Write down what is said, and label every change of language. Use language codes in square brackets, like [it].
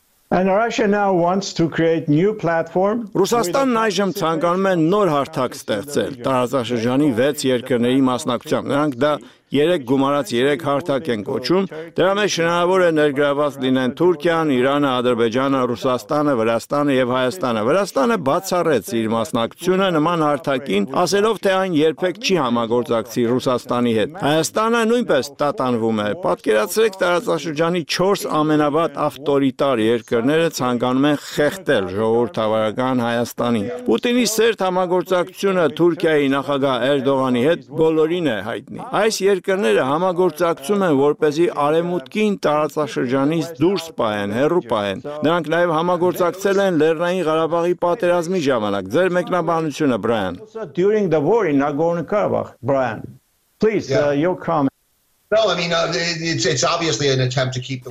[en] And Russia now wants to create new platform. [hy] Ռուսաստանն այժմ ցանկանում է նոր հարթակ ստեղծել տարածաշրջանի 6 երկրների մասնակցությամբ։ Նրանք դա 3 գումարած 3 հարթակ են կոչում, դրա մեջ հնարավոր է ներգրաված լինեն Թուրքիան, Իրանը, Ադրբեջանը, Ռուսաստանը, Վրաստանը եւ Հայաստանը։ Վրաստանը բացառեց իր մասնակցությունը նման հարթակին, ասելով, թե այն երբեք չի համագործակցի Ռուսաստանի հետ։ Հայաստանը նույնպես տատանվում է։ Պատկերացրեք, տարածաշրջանի 4 ամենավատ ավտորիտար երկրները ցանկանում են խեղդել ժողովրդավարական Հայաստանի։ Պուտինի սերտ համագործակցությունը Թուրքիայի նախագահ Էրդողանի հետ բոլորին է հայտնի։ Այս երկրները համագործակցում են, որպեսզի արևմուտքին տարածաշրջանից դուրս պահեն, հեռու պահեն։ Նրանք նաև համագործակցել են Լեռնային Ղարաբաղի պատերազմի ժամանակ։ Ձեր մեկնաբանությունը, Բրայան։ [en] During the war in Nagorno-Karabakh, Brian. Please, your comment. It's obviously an attempt to keep the